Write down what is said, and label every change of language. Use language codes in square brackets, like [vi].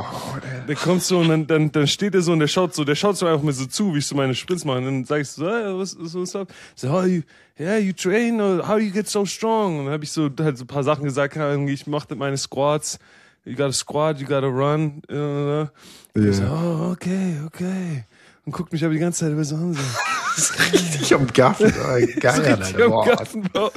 [de] Oh, dann kommst du und dann steht er so und der schaut so einfach mir so zu, wie ich so meine Sprints mache. Und dann sag ich so, [en] hey, was up? So, how you, yeah, you train, or how you get so strong? [de] Und dann hab ich so halt so ein paar Sachen gesagt, ich mach meine Squats. [en] You gotta squat, you gotta run. Yeah. So, oh, okay. [de] Und guckt mich aber die ganze Zeit über so an. richtig am Gaffen. Geil, so richtig Alter. Am Gaffen.